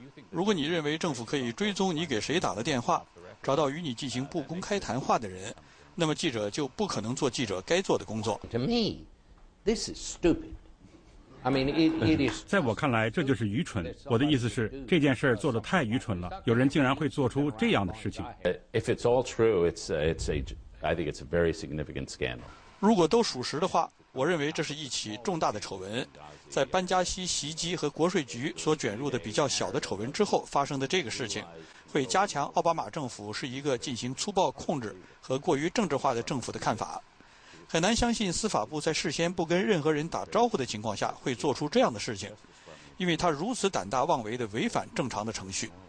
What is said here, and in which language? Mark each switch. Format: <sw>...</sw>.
<zh>如果你认为政府可以追踪你给谁打了电话，找到与你进行不公开谈话的人，那么记者就不可能做记者该做的工作。</zh> <en>To me, this is stupid.</en> <zh>在我看来，这就是愚蠢。我的意思是，这件事做得太愚蠢了，有人竟然会做出这样的事情。</zh> <en>If it's all true, I think it's a very significant scandal.</en> <zh>如果都属实的话，我认为这是一起重大的丑闻，在班加西袭击和国税局所卷入的比较小的丑闻之后发生的这个事情，会加强奥巴马政府是一个进行粗暴控制和过于政治化的政府的看法。很难相信司法部在事先不跟任何人打招呼的情况下会做出这样的事情，因为他如此胆大妄为地违反正常的程序。</zh>